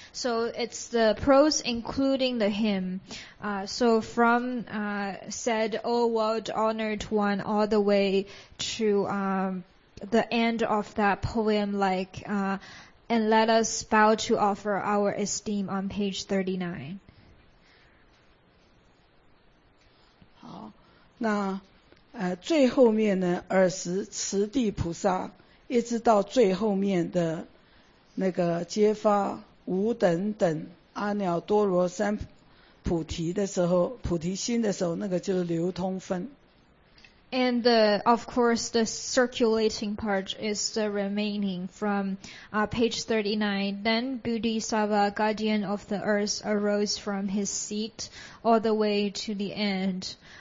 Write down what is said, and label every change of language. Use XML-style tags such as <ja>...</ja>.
<en>So it's the prose including the hymn. So from said, O world honored one, all the way to the end of that poem, and let us bow to offer our esteem on page 39.</en> <zh>好，那最后面呢，尔时慈地菩萨一直到最后面的那个揭发无等等阿耨多罗三菩提的时候，菩提心的时候，那个就是流通分。</zh> <en>And the, of course, the circulating part is the remaining from page 39. Then Bodhisattva, guardian of the earth, arose from his seat all the way to the end.</en>